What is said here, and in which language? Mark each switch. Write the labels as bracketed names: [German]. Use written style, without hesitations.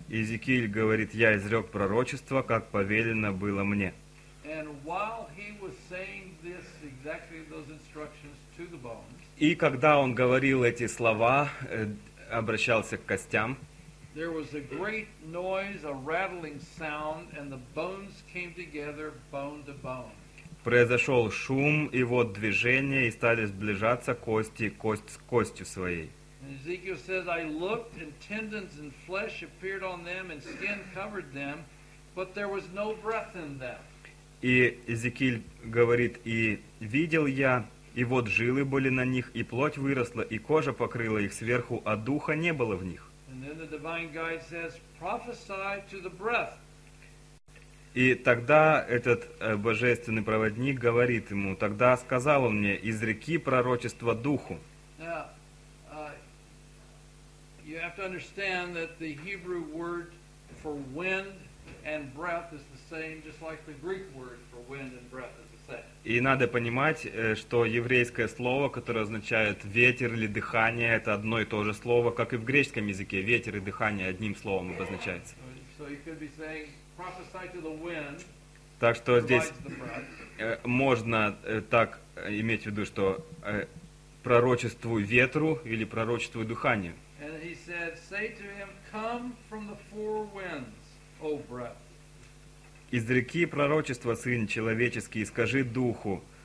[Russian] Иезекииль говорит, я изрек пророчество, как повелено было мне. [English] And while he was saying this, exactly those instructions to the bones, [Russian] и когда он говорил эти слова, обращался к костям, [English] there was a great noise, a rattling sound, and the bones came together, bone to bone. [Russian] Произошел шум, и вот движение, и стали сближаться кости, кость с костью своей. [English] And Ezekiel says, I looked, and tendons and flesh appeared on them, and skin covered them, but there was no breath in them. [Russian] И Иезекииль говорит, и видел я, и вот жилы были на них, и плоть выросла, и кожа покрыла их сверху, а духа не было в них. [English] And then the divine guide says, prophesy to the breath. [Russian] И тогда этот божественный проводник говорит ему, тогда сказал он мне, изреки пророчество духу. [English] Now, you have to understand that the Hebrew word for wind and breath is the same, just like the Greek word for wind and breath is the same. [Russian] И надо понимать, что еврейское слово, которое означает ветер или дыхание, это одно и то же слово, как и в греческом языке. Ветер и дыхание одним словом обозначается. [English] So he could be saying, prophesy to the wind. [Russian] Так что здесь можно так иметь в виду, что пророчествуй ветру или пророчествуй дыханию. [English] And he said, say to him, come from the four winds, O breath. [Russian] Изреки пророчество, Сын Человеческий, и скажи Духу.